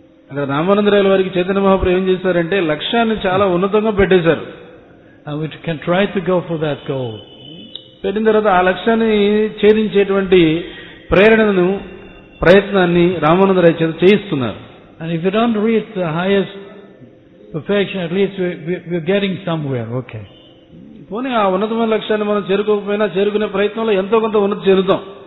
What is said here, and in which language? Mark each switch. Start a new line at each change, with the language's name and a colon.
Telugu: అక్కడ రామానందరాయల వారికి చైతన్య మహాప్రభు ఏం చేశారంటే లక్ష్యాన్ని చాలా ఉన్నతంగా పెట్టేశారు.
English: We can try to go for that goal.
Telugu: పెట్టిన తర్వాత ఆ లక్ష్యాన్ని ఛేదించేటువంటి ప్రేరణను ప్రయత్నాన్ని రామానందరాయ చేత చేయిస్తున్నారు.
English: And if you don't reach the highest perfection, at least we're getting somewhere. Okay.
Telugu: పోనీ ఆ ఉన్నతమైన లక్ష్యాన్ని మనం చేరుకోకపోయినా చేరుకునే ప్రయత్నంలో ఎంతో కొంత ఉన్నతి చేరుతాం.